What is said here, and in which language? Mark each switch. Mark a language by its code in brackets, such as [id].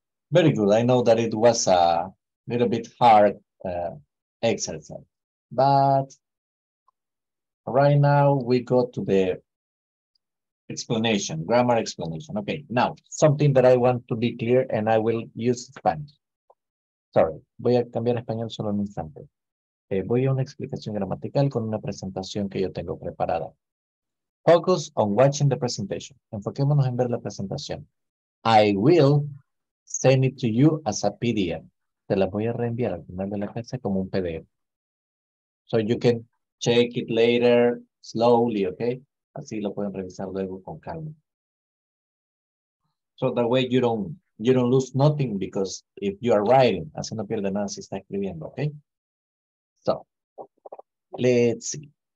[en] Very good. I know that it was a little bit hard exercise, but right now we go to the explanation, grammar explanation. Okay, now, something that I want to be clear, and I will use Spanish. [es] Sorry, voy a cambiar a español solo un instante. Voy a una explicación gramatical con una presentación que yo tengo preparada. [en] Focus on watching the presentation. [es] Enfoquémonos en ver la presentación. [en] I will send it to you as a PDF. [es] Te la voy a reenviar al final de la clase como un PDF. [en] So you can check it later, slowly, okay? [es] Así lo pueden revisar luego con calma. [en] So that way you don't lose nothing, because if you are writing, [es] así no pierde nada si está escribiendo, [en] okay? So, let's see.